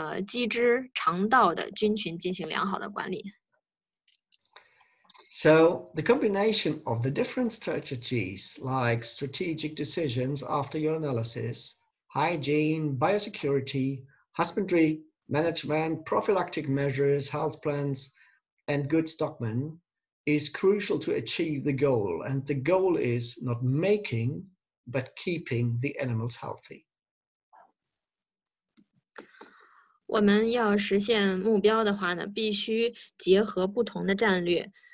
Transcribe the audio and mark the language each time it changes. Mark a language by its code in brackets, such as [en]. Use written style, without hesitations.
[zh] 那么第二点呢，就是关于这个细菌和抗生素的。我们必须要记住，细菌是不是要进行这个消除的，而是要对它进行管理。这就需要我们谨慎使用抗生素。未来呢，我们还会探讨这个菌群管理或者叫微生物群管理。我们要对这个基枝肠道的菌群进行良好的管理。 [en] So the combination of the different strategies like strategic decisions after your analysis, hygiene, biosecurity, husbandry management, prophylactic measures, health plans, and good stockmen is crucial to achieve the goal. And the goal is not making, but keeping the animals healthy. [zh] 我们要实现目标的话呢，必须结合不同的战略。